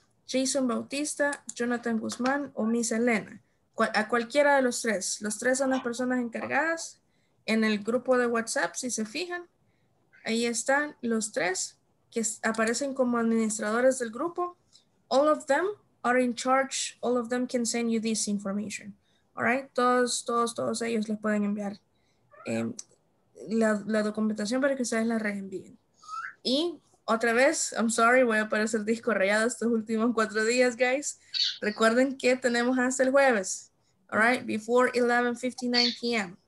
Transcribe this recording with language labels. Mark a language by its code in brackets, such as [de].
[es] Jason Bautista, Jonathan Guzmán o Miss Elena. A cualquiera de los tres. Los tres son las personas encargadas en el grupo de WhatsApp, si se fijan. Ahí están los tres que aparecen como administradores del grupo. [en] all of them are in charge. All of them can send you this information. [es] All right, todos ellos les pueden enviar la documentación para que ustedes la reenvíen. Y otra vez, [en] I'm sorry, [es] voy a aparecer disco rayado estos últimos 4 días, guys. Recuerden que tenemos hasta el jueves. All right, [en] before 11:59 p.m.